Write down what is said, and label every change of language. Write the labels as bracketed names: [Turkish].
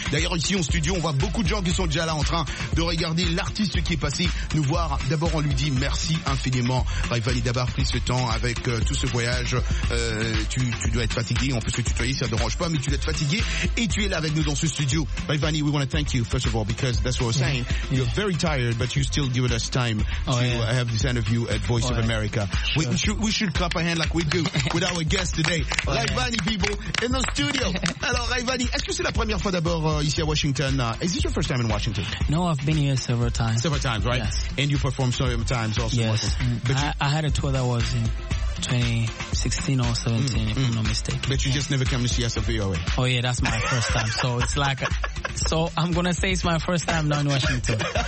[French] D'ailleurs, ici en studio, on voit beaucoup de gens qui sont déjà là en train de regarder l'artiste qui est passé nous voir. D'abord, on lui dit merci infiniment. Ray Van Hill, d'avoir pris ce temps avec tout ce voyage. Tu dois être fatigué. On peut se tutoyer, ça ne dérange pas, mais tu dois être fatigué. Et tu es là avec nous dans ce studio. [English] Ray Van Hill, we want to thank you, first of all, because that's what I was saying. You're very tired, but you still give us time to have this interview at Voice of America. Sure. We should clap a hand like we do with our guest today. Ray Van Hill, people, in the studio. [French] Alors, Ray Van Hill, est-ce que c'est la première fois d'abord ici à Washington? [English] Is this your first time in Washington? No, I've been here several times. Several times, right? Yes. And you performed several times also in Washington. Yes. I had a tour that was in 2016 or 17, if I'm not mistaken. But you just never come to see us at VOA. Oh, yeah, that's my first time. So it's like... So I'm going to say it's my first time down in Washington.